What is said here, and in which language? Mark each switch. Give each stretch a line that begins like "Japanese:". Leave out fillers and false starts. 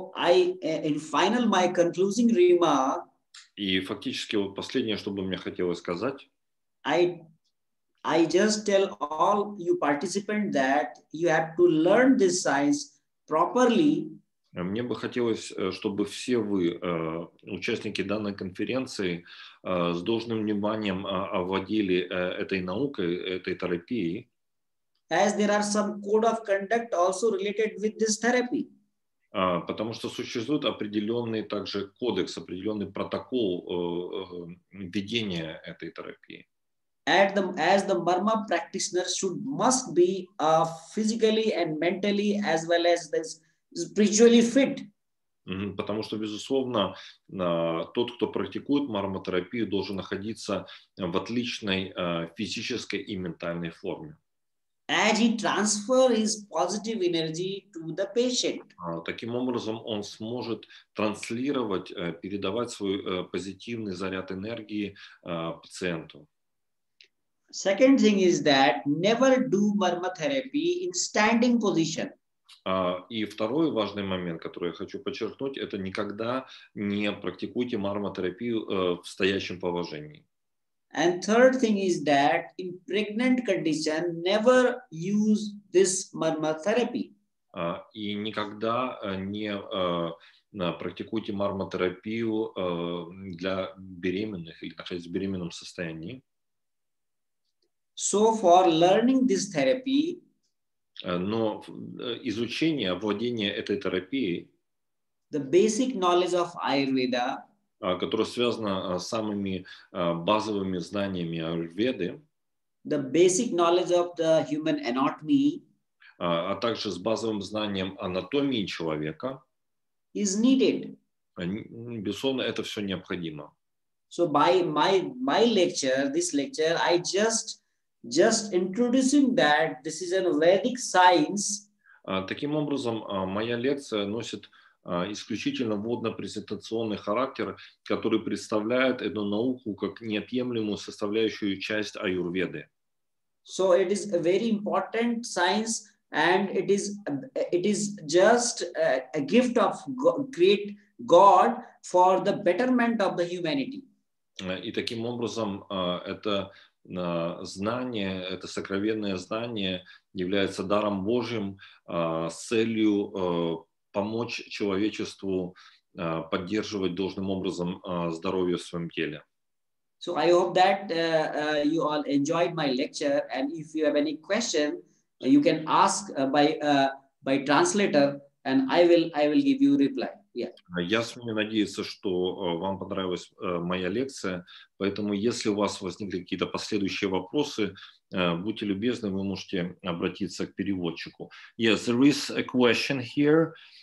English: So, in final, my concluding remark.
Russian: И фактически вот последнее, что бы мне хотелось сказать.
English: I just tell all you participants that you have to learn this science properly.
Russian: Мне бы хотелось, чтобы все вы, участники данной конференции, с должным вниманием овладели этой наукой, этой терапией.
English: As there are some code of conduct also related with this therapy.
Russian: Потому что существует определенный также кодекс, определенный протокол ведения этой терапии.
English: As the Marma practitioner must be physically and mentally as well as this spiritually fit.
Russian: Потому что, безусловно, тот, кто практикует марматерапию, должен находиться в отличной физической и ментальной форме.
English: And he transfer his positive energy to the patient.
Russian: Таким образом, он сможет транслировать, передавать свой позитивный заряд энергии пациенту.
English: Second thing is that never do marmatherapy in standing position.
Russian: И второй важный момент, который я хочу подчеркнуть, это никогда не практикуйте марматерапию в стоящем положении.
English: And third thing is that in pregnant condition never use this marmatherapy.
Russian: И никогда не практикуйте марматерапию для беременных или находясь в беременном состоянии.
English: So for learning this therapy.
Russian: Но изучение, овладение этой терапией,
English: the basic knowledge of Ayurveda,
Russian: которое связано с самыми базовыми знаниями Аюрведы,
English: the basic knowledge of the human anatomy,
Russian: а также с базовым знанием анатомии человека,
English: is needed.
Russian: Безусловно, это все необходимо.
English: So by my lecture, this lecture, I just introducing that this is a Vedic science.
Russian: Таким образом, моя лекция носит исключительно вводно-презентационный характер, который представляет эту науку как неотъемлемую составляющую часть Аюрведы.
English: So it is a very important science, and it is just a gift of great God for the betterment of the humanity.
Russian: И таким образом, это знание, это сокровенное знание является даром Божьим с целью помочь человечеству поддерживать должным образом здоровье в своем теле.
English: So I hope that you all enjoyed my lecture, and if you have any question, you can ask by translator, and I will give you reply.
Russian: Я очень надеюсь, что вам понравилась моя лекция, поэтому если у вас возникли какие-то последующие вопросы, будьте любезны, вы можете обратиться к переводчику.
English: Yes, there is a question here.